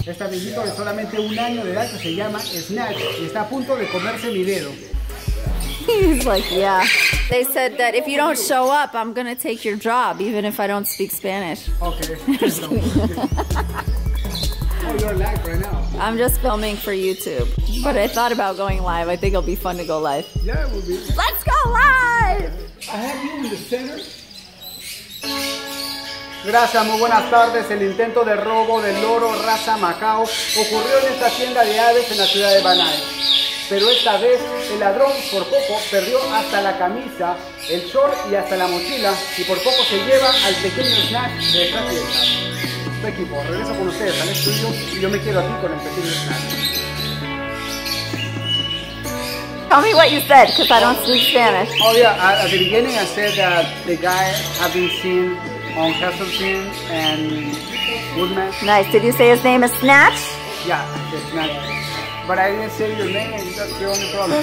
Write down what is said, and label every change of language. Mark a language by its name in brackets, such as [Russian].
[Spanish] Esta amiguita de solamente un año de edad que se llama Snatch. Está a punto de comerse mi dedo. [English] He's like, yeah. They said that if you don't show up, I'm going to take your job, even if I don't speak Spanish. Okay. Oh, you're live right now. I'm just filming for YouTube. But I thought about going live. I think it'll be fun to go live. Yeah, it will be. Let's go live! I have you in the center. [Spanish] Gracias, muy buenas tardes. El intento de robo del loro raza Macaw ocurrió en esta tienda de aves en la ciudad de Banay. Pero esta vez el ladrón por poco perdió hasta la camisa, el short y hasta la mochila y por poco se lleva al pequeño Snatch de esta tienda. Este equipo, regreso con ustedes al estudio y yo me quedo aquí con el pequeño Snatch. [English] Tell me what you said, because I don't speak Spanish. Oh yeah, at the beginning I said that the guy had been seen on Castleton and Woodman. Nice, did you say his name is Snatch? Yeah, it's Snatch. But I didn't say your name, that's the only problem.